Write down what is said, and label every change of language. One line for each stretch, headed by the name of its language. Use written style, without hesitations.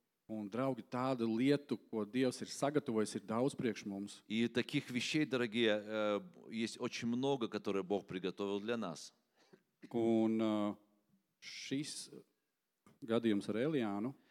Latvian: Un, draugi, tādu lietu, ko Dievs ir sagatavojis, ir daudz priekš mums.
Russian: И таких вещей, дорогие, есть очень много, которые Бог приготовил для нас.
Latvian: Un šis gadījums ar Elijānu.